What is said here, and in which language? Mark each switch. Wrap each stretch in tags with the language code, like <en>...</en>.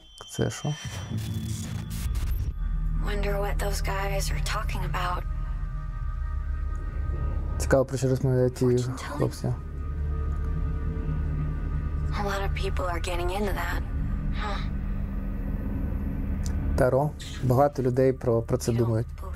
<uk>Це що?</uk> <en>Wonder what those guys are talking about.</en> <uk>Цікаво, про що розмовляють ті хлопці.</uk> <en>A lot of people are getting into that.</en> <uk>Таро, багато людей про це думають.</uk>